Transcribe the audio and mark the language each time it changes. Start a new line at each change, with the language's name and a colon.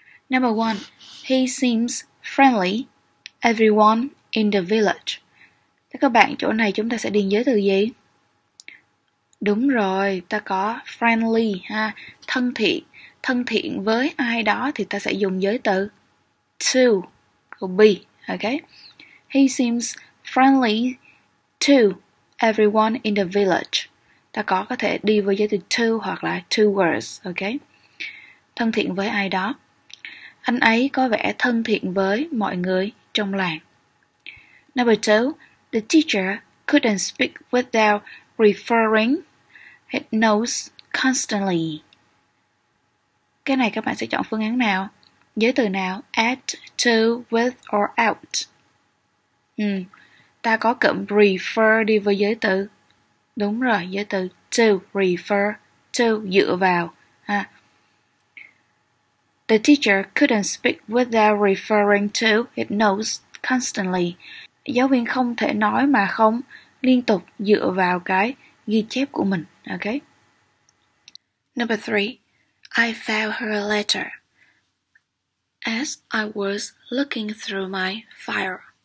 English: Number one. He seems friendly, everyone in the village.
Vietnamese: Thế các bạn, chỗ này chúng ta sẽ điền giới từ gì? Đúng rồi, ta có friendly ha, thân thiện. Thân thiện với ai đó thì ta sẽ dùng giới từ to, or be, okay?
English: He seems friendly to everyone in the village.
Vietnamese: Ta có thể đi với giới từ to hoặc là towards, okay? Thân thiện với ai đó. Anh ấy có vẻ thân thiện với mọi người trong làng.
English: Number two, the teacher couldn't speak without referring his notes constantly.
Vietnamese: Cái này các bạn sẽ chọn phương án nào? Giới từ nào?
English: At, to, with or out?
Vietnamese: Ta có cụm refer đi với giới từ. Đúng rồi, giới từ to, refer, to, dựa vào. Ha.
English: The teacher couldn't speak without referring to his notes constantly.
Vietnamese: Giáo viên không thể nói mà không liên tục dựa vào cái ghi chép của mình. Okay.
English: Number three, I found her letter as I was looking through my file.